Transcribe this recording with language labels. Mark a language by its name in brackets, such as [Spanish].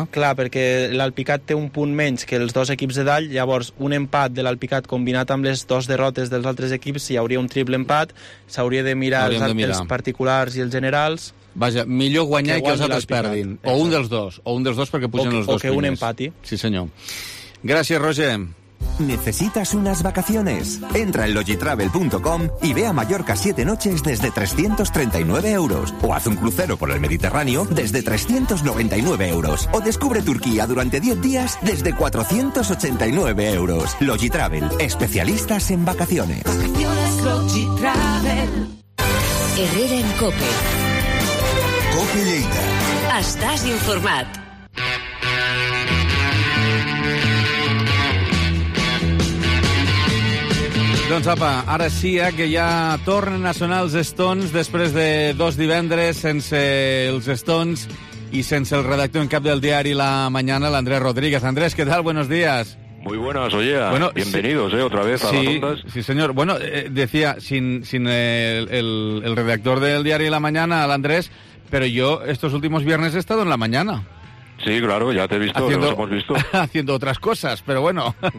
[Catalan] Clar, perquè l'Alpicat té un punt menys que els dos equips de dalt, llavors un empat de l'Alpicat combinat amb les dues derrotes dels altres equips, si hi hauria un triple empat, s'hauria de mirar els particulars i els generals. Vaja, millor guanyar que els altres perdin. O un dels dos. O un dels dos perquè pugen els dos primers. O que un empati. Sí, senyor. Gràcies, Roger. [Spanish] ¿Necesitas unas vacaciones? Entra en logitravel.com y ve a Mallorca 7 noches desde 339 euros. O haz un crucero por el Mediterráneo desde 399 euros. O descubre Turquía durante 10 días desde 489 euros. Logitravel, especialistas en vacaciones. Vacaciones Logitravel. Herrera en COPE. COPE Lleida. [Catalan] Estás informat. [English] We'll be right back. [Catalan] Doncs apa, ara sí, que ja tornen a sonar els Stones després de dos divendres sense els Stones i sense el redactor en cap del diari La Mañana, l'Andrés Rodríguez. Andrés, què tal? [Spanish] Buenos días. Muy buenas, oye. Bueno, bienvenidos, otra vez a sí, las ondas. Sí, señor. Bueno, decía, sin el redactor del diario La Mañana, al Andrés, pero yo estos últimos viernes he estado en La Mañana. Sí, claro, ya te he visto, haciendo, nos hemos visto. Haciendo otras cosas, pero bueno.